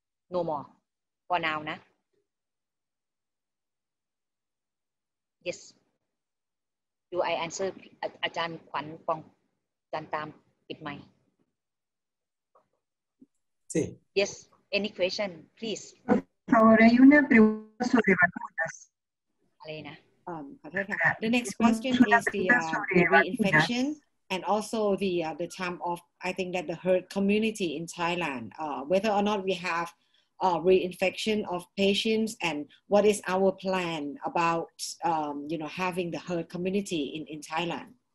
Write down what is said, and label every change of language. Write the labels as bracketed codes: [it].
[en] No more for now, nah? Yes. Do I answer Ajahn Kwan Pong Jan Tam with my? [es] Sí. [en] Yes, any question, please. [es] Por favor, hay una pregunta sobre vacunas. Elena. [en] The next question is the infection and also the time of, I think that the herd community in Thailand, whether or not we have reinfection of patients and what is our plan about, having the herd community in Thailand?